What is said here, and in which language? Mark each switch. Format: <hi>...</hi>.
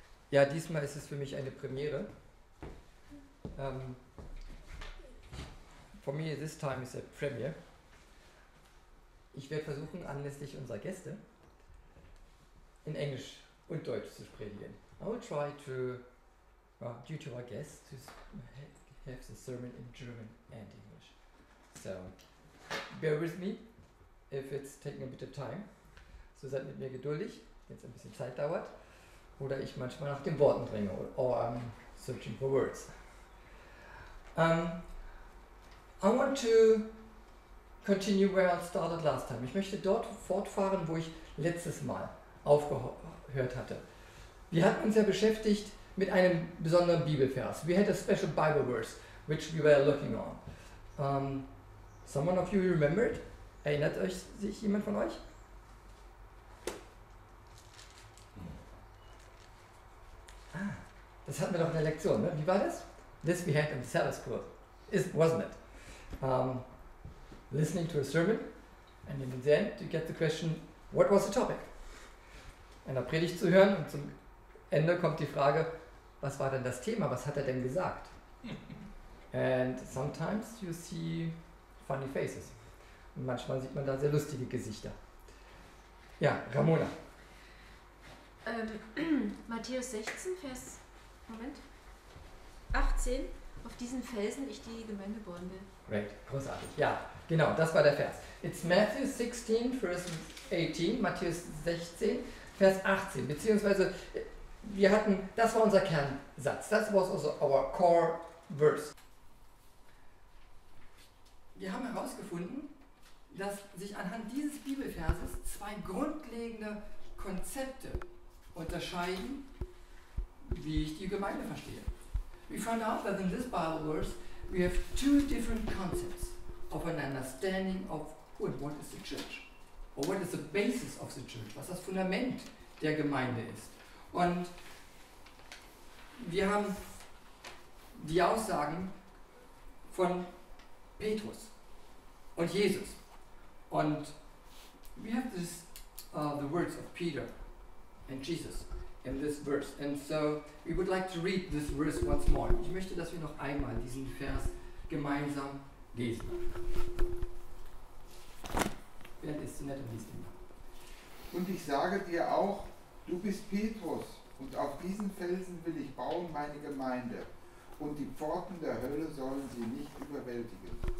<de>Ja, diesmal ist es für mich eine Premiere.</de> <en>For me, this time is a premiere.</en> <de>Ich werde versuchen, anlässlich unserer Gäste in Englisch und Deutsch zu predigen.</de> <en>I will try to, due to our guests, to have the sermon in German and English. So, bear with me, if it's taking a bit of time.</en> <de>So seid mit mir geduldig, wenn es ein bisschen Zeit dauert. Oder ich manchmal nach den Worten dringe,</de> <en>or I'm searching for words. I want to continue where I started last time.</en> <de>Ich möchte dort fortfahren, wo ich letztes Mal aufgehört hatte. Wir hatten uns ja beschäftigt mit einem besonderen Bibelvers.</de> <en>We had a special Bible verse, which we were looking on. Someone of you remembered?</en> <de>Erinnert euch sich jemand von euch? Das hatten wir doch in der Lektion, ne? Wie war das?</de> <en>This we had in the Sabbath school, wasn't it? Listening to a sermon, and in the end you get the question, what was the topic?</en> <de>Einer Predigt zu hören und zum Ende kommt die Frage, was war denn das Thema, was hat er denn gesagt?</de> <en>And sometimes you see funny faces.</en> <de>Und manchmal sieht man da sehr lustige Gesichter. Ja, Ramona. Matthäus 16, Vers... Moment. 18, auf diesen Felsen ich die Gemeinde bauen will. Great, großartig. Ja, genau, das war der Vers.</de> <en>It's Matthew 16,</en> <de>Vers 18, Matthäus 16, Vers 18. Beziehungsweise, wir hatten, das war unser Kernsatz.</de> <en>That was also our core verse.</en> <de>Wir haben herausgefunden, dass sich anhand dieses Bibelverses zwei grundlegende Konzepte unterscheiden, wie ich die Gemeinde verstehe.</de> <en>We found out that in this Bible verse we have two different concepts of an understanding of who and what is the church. Or what is the basis of the church,</en> <de>was das Fundament der Gemeinde ist. Und wir haben die Aussagen von Petrus und Jesus.</de> <en>Und we have this, the words of Peter and Jesus in this verse. And so we would like to read this verse once more.</en> <de>Ich möchte, dass wir noch einmal diesen Vers gemeinsam lesen. Wer ist so nett und liest ihn? Und ich sage dir auch, du bist Petrus, und auf diesen Felsen will ich bauen meine Gemeinde, und die Pforten der Hölle sollen sie nicht überwältigen.</de>